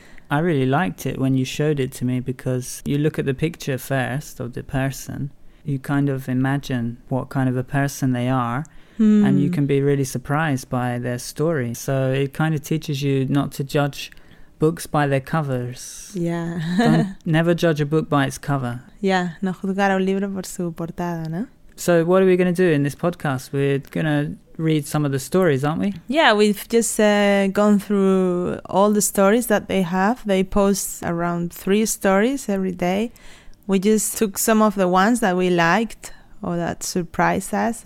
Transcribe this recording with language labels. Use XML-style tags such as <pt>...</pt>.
<en>I really liked it when you showed it to me, because you look at the picture first of the person, you kind of imagine what kind of a person they are, and you can be really surprised by their story. So it kind of teaches you not to judge books by their covers. Yeah. Never judge a book by its cover.</en> <es>Yeah, no juzgar a un libro por su portada, ¿no?</es> <en>So what are we going to do in this podcast? We're going to read some of the stories, aren't we? Yeah, we've just gone through all the stories that they have. They post around 3 stories every day. We just took some of the ones that we liked or that surprised us.</en>